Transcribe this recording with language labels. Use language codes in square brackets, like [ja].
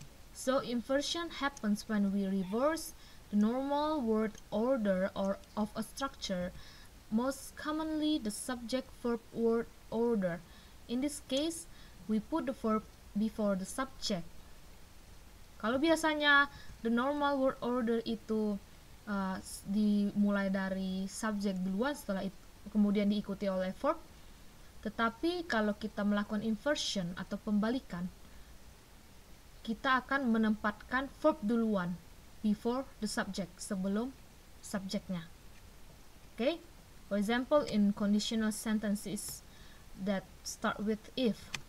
[en] So inversion happens when we reverse the normal word order or of a structure, most commonly the subject verb word order. In this case, we put the verb before the subject. [id] Kalau biasanya [en] the normal word order [id] itu dimulai dari subject duluan, setelah itu kemudian diikuti oleh verb. Tetapi kalau kita melakukan inversion atau pembalikan, kita akan menempatkan verb duluan, [en] before the subject, [id] sebelum subjectnya. [en] Okay? For example, in conditional sentences that start with if.